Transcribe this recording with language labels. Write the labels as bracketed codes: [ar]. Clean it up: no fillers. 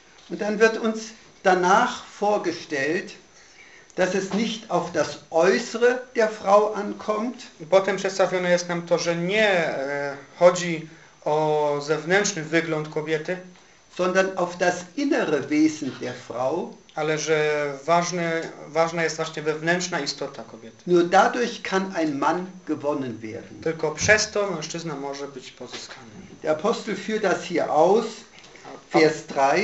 [de] Und dann wird uns danach vorgestellt, dass es nicht auf das Äußere der Frau ankommt. [pl] Potem przedstawione jest nam to, że nie chodzi o zewnętrzny wygląd kobiety, [de] sondern auf das innere Wesen der Frau. [pl] Ale że ważna jest właśnie wewnętrzna istota kobiety. [de] Nur dadurch kann ein Mann gewonnen werden. [pl] Tylko przez to mężczyzna może być pozyskany. [de] Der Apostel führt das hier aus, Vers 3.